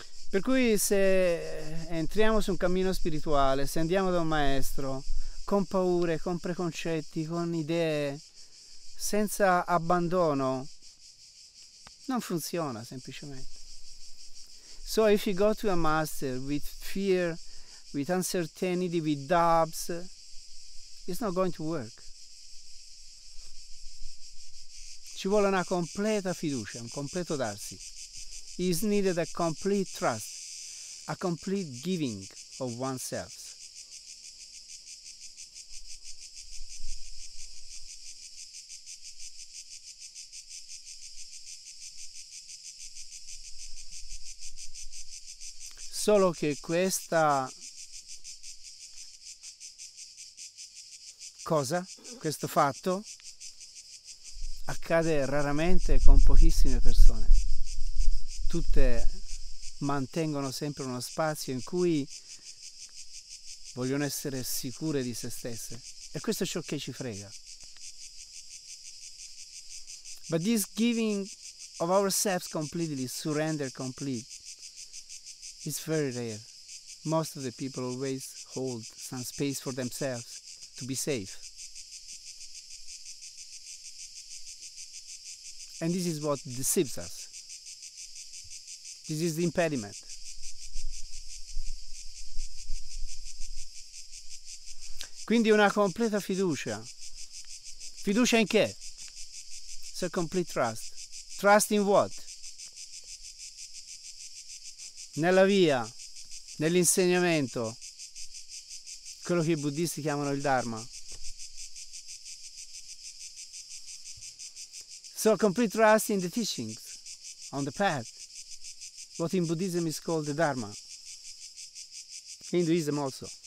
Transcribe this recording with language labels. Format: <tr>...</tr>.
<it>Per cui se entriamo su un cammino spirituale, se andiamo da un maestro, con paure, con preconcetti, con idee, senza abbandono, non funziona semplicemente.</it> <en>So if you go to a master with fear, with uncertainty, with doubts, it's not going to work.</en> <it>Ci vuole una completa fiducia, un completo darsi.</it> <en>It's needed a complete trust, a complete giving of oneself.</en> <it>Solo che questa cosa, questo fatto, accade raramente con pochissime persone. Tutte mantengono sempre uno spazio in cui vogliono essere sicure di se stesse. E questo è ciò che ci frega.</it> <en>But this giving of ourselves completely, surrender completely, it's very rare. Most of the people always hold some space for themselves to be safe. And this is what deceives us. This is the impediment.</en> <it>Quindi una completa fiducia. Fiducia in che?</it> <en>It's a complete trust. Trust in what?</en> <it>Nella via, nell'insegnamento, quello che i buddhisti chiamano il Dharma.</it> <en>So a complete trust in the teachings, on the path, what in Buddhism is called the Dharma, Hinduism also.</en>